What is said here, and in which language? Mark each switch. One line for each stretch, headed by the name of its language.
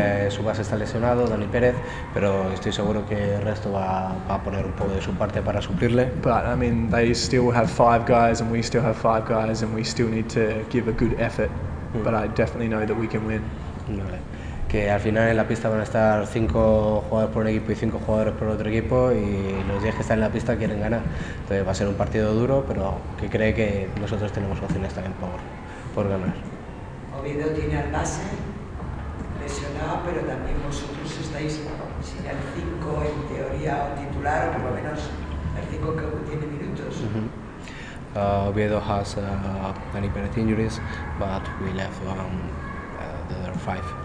Spanish: Su base está lesionado, Dani Pérez, pero estoy seguro que el resto va a poner un poco de su parte para suplirle.
English: But I mean, they still have five guys, and we still have five guys, and we still need to give a good effort. But I definitely know that we can win.
Spanish: Vale. Que al final en la pista van a estar 5 jugadores por un equipo y 5 jugadores por otro equipo, y los 10 que están en la pista quieren ganar. Entonces va a ser un partido duro, pero que cree que nosotros tenemos opciones también por ganar. Oviedo tiene al base, lesionado, pero también vosotros estáis sin el 5 en teoría, o titular, o por lo menos el 5 que tiene minutos.
English: Oviedo has many bad injuries, but we left the other 5.